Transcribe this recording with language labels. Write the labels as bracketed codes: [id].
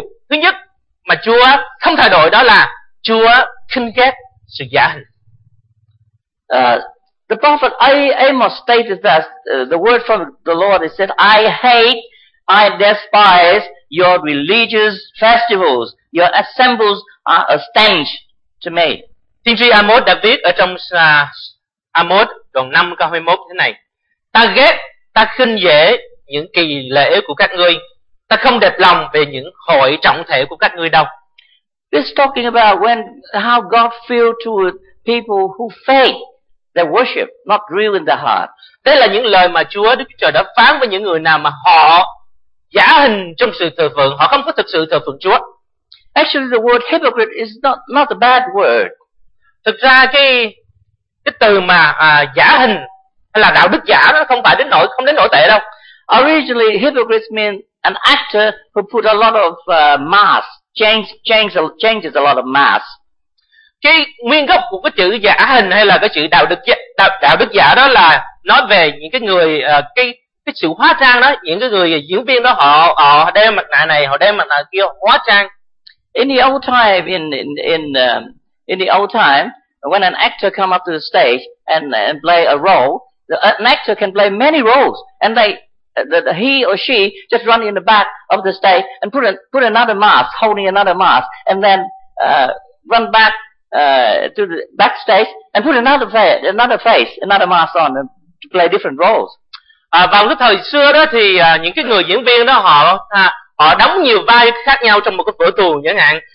[vi] Thứ nhất mà Chúa không thay đổi đó là Chúa khinh ghét sự giả hình. [en] The prophet Amos stated that the word from the Lord is said, I despise your religious festivals. Your assemblies are a stench to me. [vi] Tiên tri Amos đã viết ở trong Amos đoạn 5 câu 21 thế này. Ta ghét, ta khinh dễ những kỳ lễ của các ngươi. Ta không đẹp lòng về những hội trọng thể của các ngươi đâu. [en] This talking about when how God feels toward people who fake their worship, not real in their heart. [vi] Đây là những lời mà Chúa Đức Chúa Trời đã phán với những người nào mà họ giả hình trong sự thờ phượng, họ không có thực sự thờ phượng Chúa. [en] Actually, the word hypocrite is not a bad word. [vi] Thực ra cái từ mà giả hình hay là đạo đức giả nó không phải đến nỗi không đến nỗi tệ đâu. [en] Originally, hypocrite means an actor who put a lot of mask, changes a lot of mask. [vi] Cái nguyên gốc của cái chữ giả hình hay là cái chữ đạo đức giả đó là nói về những cái người cái sự hóa trang đó, những cái người diễn viên đó họ đeo mặt nạ này, họ đeo mặt nạ kia, hóa trang. [en] In the old time, when an actor come up to the stage and play a role, an actor can play many roles, and he or she just run in the back of the stage and put another mask, holding another mask, and then run back to the backstage and put another mask on and to play different roles. [vi] Vào cái thời xưa đó thì những cái người diễn viên đó họ đóng nhiều vai khác nhau trong một cái vở tuồng chẳng hạn.